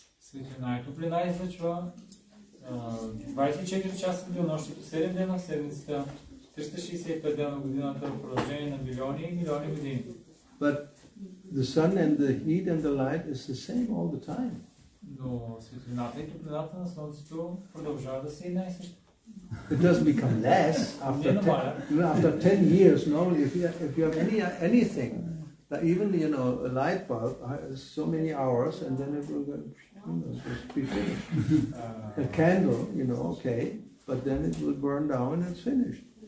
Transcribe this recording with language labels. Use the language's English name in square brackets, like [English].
[Bulgarian] светлина и топлина излъчва 24 часа в денонощието, 7 дена в седмицата, 365 дена в годината в продължение на милиони и милиони години. [English] But the sun and the heat and the light is the same all the time. [Bulgarian] Но светлината и топлината на слънцето продължава да се една и съща. [English] It doesn't become less after 10 years. Normally, if you have anything, like even you know a light bulb, so many hours, and then it will just be finished. A candle, you know, okay, but then it will burn down and it's finished.